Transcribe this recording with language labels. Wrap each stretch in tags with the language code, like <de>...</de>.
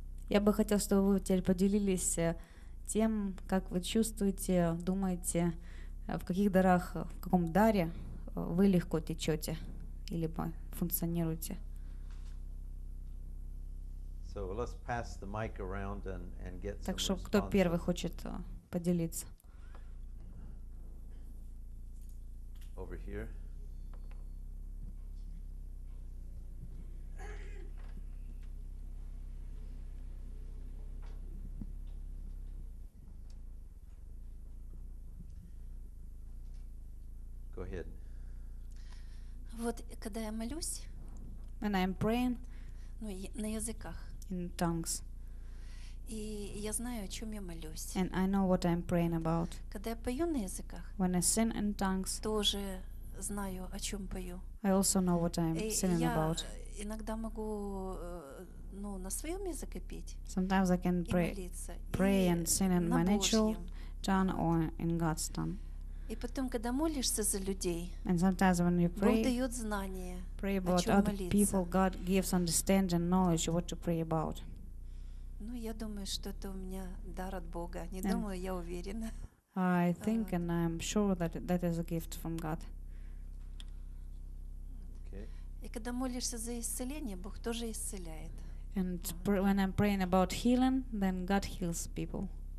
<ru>Я бы хотел, чтобы вы теперь поделились тем, как вы чувствуете, думаете, в каких дарах, в каком даре вы легко течете или функционируете.</ru> <en>So let's pass the mic around and get some.</en> <ru>Так что кто первый хочет поделиться?</ru> <en>Over here. Go ahead.</en> <ru>Вот когда я молюсь,</ru> <en>when I'm praying,</en> <ru>ну, на языках,</ru> <en>in tongues.</en> <ru>И я знаю, о чём я молюсь.</ru> <en>And I know what I'm praying about.</en> <ru>Когда я пою на языках,</ru> <en>when I sing in tongues,</en> <ru>тоже знаю, о чём пою.</ru> <en>I also know what I'm singing about.</en> <ru>Я иногда могу, ну, на своём языке петь.</ru> <en>Sometimes I can pray and sing in my natural tongue or in God's tongue.</en> <ru>И потом, когда молишься за людей,</ru> <en>and sometimes when you pray,</en> <ru>Бог дает знание,</ru> <en>pray about other people, God gives understanding, knowledge, what to pray about.</en> <ru>Ну, я думаю, что это у меня дар от Бога. Не думаю, я уверена.</ru> <en>I think and I'm sure that is a gift from God.</en> <ru>Okay. И когда молишься за исцеление, Бог тоже исцеляет.</ru> <en>And when I'm praying about healing, then God heals people.</en>